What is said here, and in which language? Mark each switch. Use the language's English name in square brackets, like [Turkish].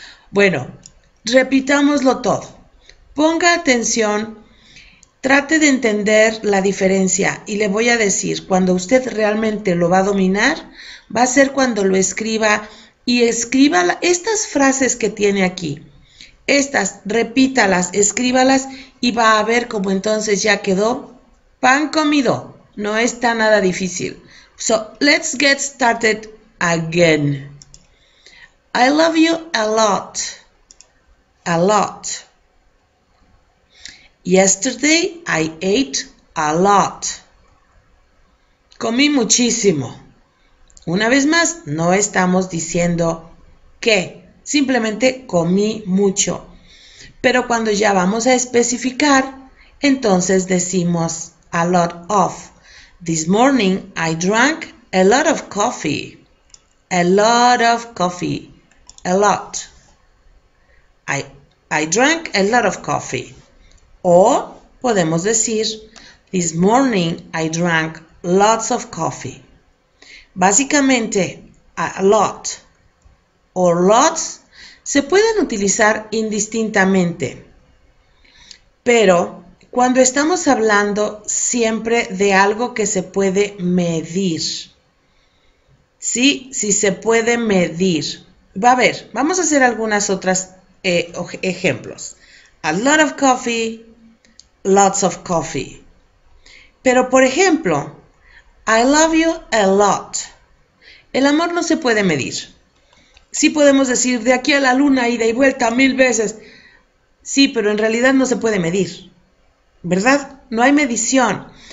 [Spanish] Bueno, repitámoslo todo. Ponga atención, trate de entender la diferencia y le voy a decir, cuando usted realmente lo va a dominar, va a ser cuando lo escriba y escriba estas frases que tiene aquí. Estas, repítalas, escríbalas y va a ver cómo entonces ya quedó. Pan comido, no está nada difícil. [English] So let's get started again. I love you a lot. A lot. Yesterday I ate a lot. [Spanish] Comí muchísimo. Una vez más, no estamos diciendo que, simplemente comí mucho. Pero cuando ya vamos a especificar, entonces decimos a lot of. [English] This morning I drank a lot of coffee. A lot of coffee. A lot. I drank a lot of coffee. [Spanish] O podemos decir, [English] this morning I drank lots of coffee. [Spanish] Básicamente, a lot o lots se pueden utilizar indistintamente. Pero cuando estamos hablando siempre de algo que se puede medir. Sí, sí se puede medir. Va a ver, vamos a hacer algunas otras ejemplos. [English] A lot of coffee, lots of coffee. [Spanish] Pero por ejemplo, [English] I love you a lot. [Spanish] El amor no se puede medir. Sí podemos decir de aquí a la luna, ida y vuelta 1000 veces. Sí, pero en realidad no se puede medir. ¿Verdad? No hay medición.